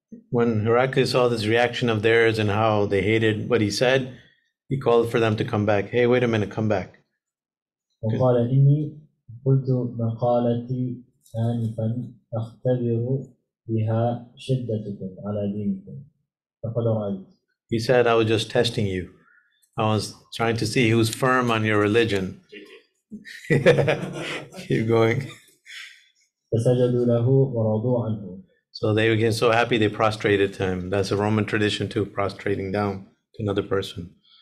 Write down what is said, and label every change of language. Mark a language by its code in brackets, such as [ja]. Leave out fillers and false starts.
[en] When Heraclius saw this reaction of theirs and how they hated what he said, he called for them to come back. Hey, wait a minute, come back. [ar] وقال إني قلت مقالتي آنفا أختبر بها شدتكم على دينكم فقد رأيت. [en] He said, I was just testing you. I was trying to see who's firm on your religion. Keep going. [ar] فسجدوا له ورضوا عنه. [en] So they became so happy they prostrated to him. That's a Roman tradition too, prostrating down to another person.